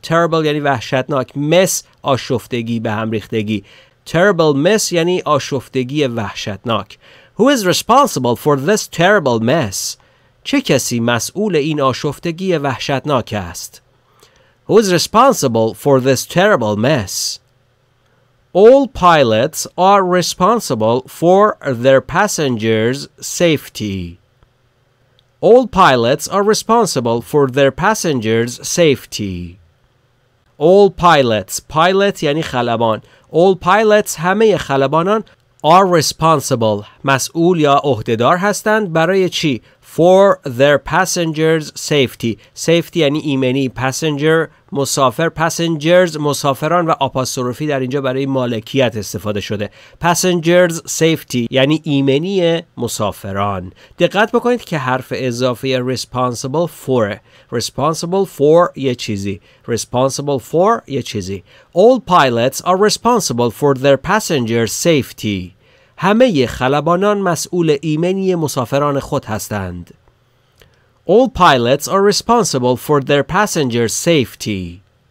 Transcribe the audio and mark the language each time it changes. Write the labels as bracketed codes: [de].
[fa] Terrible یعنی وحشتناک. Mess آشفتگی، به هم ریختگی. Terrible mess یعنی آشفتگی وحشتناک. [en] Who is responsible for this terrible mess? [fa] چه کسی مسئول این آشفتگی وحشتناک است؟ [en] Who is responsible for this terrible mess? All pilots are responsible for their passengers' safety. All pilots are responsible for their passengers' safety. All pilots. Pilot [fa] یعنی خلبان. [en] All pilots [fa] همه خلبانان [en] are responsible. [fa] مسئول یا عهده‌دار هستند برای چی؟ [en] For their passengers' safety. [fa] Safety یعنی ایمنی. Passenger مسافر. Passengers مسافران و آپاستروفی در اینجا برای مالکیت استفاده شده. Passengers' safety یعنی ایمنی مسافران. دقت بکنید که حرف اضافه responsible for. Responsible for یه چیزی. Responsible for یه چیزی. [en] All pilots are responsible for their passengers' safety. [fa] همه خلبانان مسئول ایمنی مسافران خود هستند. [en] All pilots are responsible for their passenger safety.